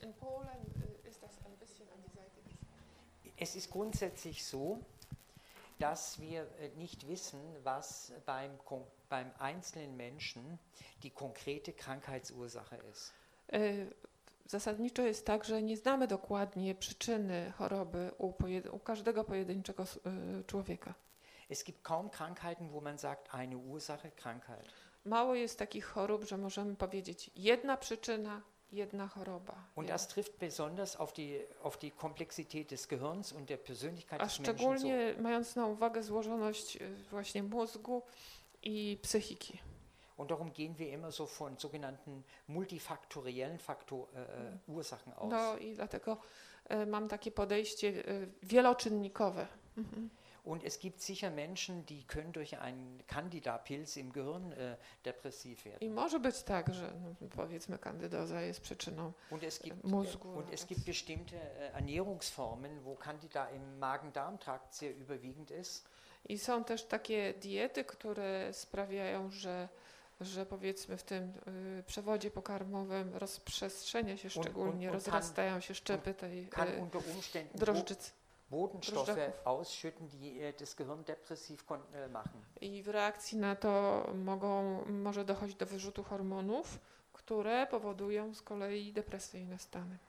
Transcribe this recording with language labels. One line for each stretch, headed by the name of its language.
German: in Polen ist das ein bisschen an die Seite geschoben. Es ist grundsätzlich so, dass wir nicht wissen, was beim einzelnen Menschen die konkrete Krankheitsursache ist.
Polish: Zasadniczo jest tak, że nie znamy dokładnie przyczyny choroby u każdego pojedynczego człowieka.
German: Es gibt kaum Krankheiten, wo man sagt, eine Ursache, Krankheit.
Polish: Mało jest takich chorób, że możemy powiedzieć jedna przyczyna, jedna choroba.
German: Und das trifft besonders auf die Komplexität des Gehirns und der Persönlichkeit des Menschen.
Polish: A szczególnie mając na uwagę złożoność właśnie mózgu i psychiki.
German: Und darum gehen wir immer so von sogenannten multifaktoriellen Ursachen aus.
Polish: No i dlatego mam takie podejście wieloczynnikowe.
German: Und es gibt sicher Menschen, die können durch einen Candida-Pilz im Gehirn depressiv werden.
Polish: I może być tak, że powiedzmy kandydoza jest przyczyną mózgu.
German: Und es gibt bestimmte Ernährungsformen, wo Candida im Magen-Darm-Trakt sehr überwiegend ist.
Polish: I są też takie diety, które sprawiają, że powiedzmy w tym przewodzie pokarmowym rozprzestrzenia się szczególnie, rozrastają się szczepy tej drożdżycy.
German: Bodenstoffe ausschütten, die das Gehirn depressiv machen.
Polish: I w reakcji na to może dochodzić do wyrzutu hormonów, które powodują z kolei depresyjne stany.